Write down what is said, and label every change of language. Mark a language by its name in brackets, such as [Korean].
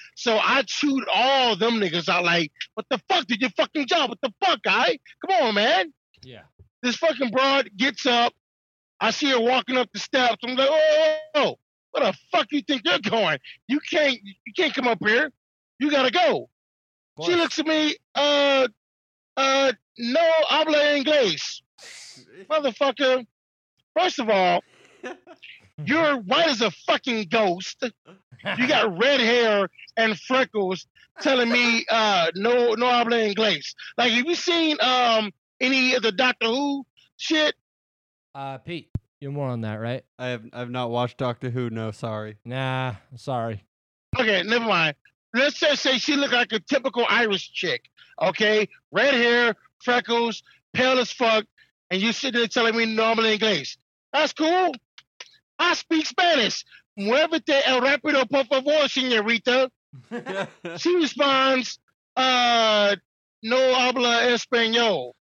[English] So I chewed all them niggas out like, what the fuck? Did your fucking job? What the fuck, guy? Come on, man. Yeah. This fucking broad gets up. I see her walking up the steps. I'm like, oh, where the fuck you think you're going? You can't come up here. You gotta go. She looks at me, [Spanish] no habla inglés. [English] Motherfucker, first of all, you're white as a fucking ghost. You got red hair and freckles telling me [Spanish] no habla inglés. [English] Like, have you seen any of the Doctor Who shit? Pete, you're more on that, right? I've not watched Doctor Who, no, sorry. Nah, sorry. Okay, never mind. Let's just say she looked like a typical Irish chick, okay? Red hair, freckles, pale as fuck, and you sitting there telling me normal English. That's cool. I speak Spanish. [Spanish] Muévete el rápido, por favor, señorita. [English] She responds, [Spanish] no habla español.